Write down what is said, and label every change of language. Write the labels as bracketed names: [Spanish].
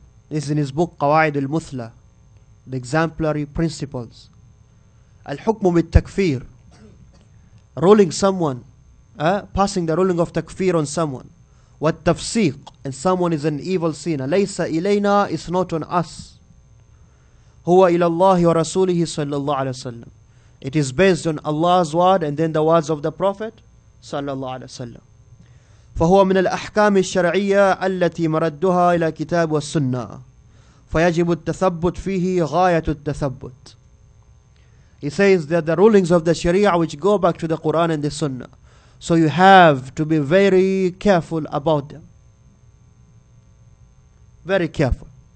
[English] This is in his book, Qawaid al-Muthla, the exemplary principles. [Arabic] Al-Hukmu bil-Takfir. [English] Ruling someone, passing the ruling of Takfir on someone. Wa-Tafsiq. And someone is an evil sinner. [Arabic] Laysa ilayna, [English] is not on us. [Arabic] هو إلى الله ورسوله صلى الله عليه وسلم. [English] It is based on Allah's word and then the words of the Prophet صلى الله عليه وسلم. [Arabic] فهو من الأحكام الشرعية التي مردها إلى كتاب والسنة. فيجب التثبت فيه غاية التثبت. [English] He says that the rulings of the Sharia which go back to the Quran and the Sunnah, so you have to be very careful about them. Very careful.